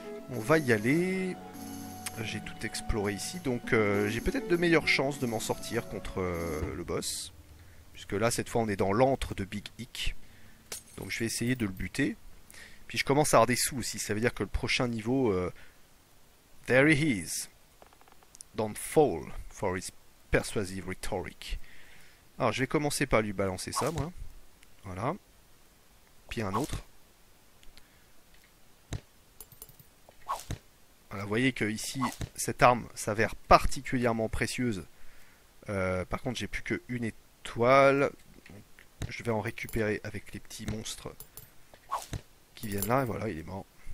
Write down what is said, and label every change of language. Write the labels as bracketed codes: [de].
[fr] On va y aller. J'ai tout exploré ici. Donc j'ai peut-être de meilleures chances de m'en sortir contre le boss. Puisque là, cette fois, on est dans l'antre de Big Ick. Donc je vais essayer de le buter. Puis je commence à avoir des sous aussi. Ça veut dire que le prochain niveau... [en] There he is. Don't fall for his persuasive rhetoric. [fr] Alors, je vais commencer par lui balancer ça, moi. Voilà. Puis un autre. Voilà, vous voyez que ici, cette arme s'avère particulièrement précieuse. Par contre, j'ai plus que une étoile. Donc, je vais en récupérer avec les petits monstres qui viennent là. Et voilà, il est mort.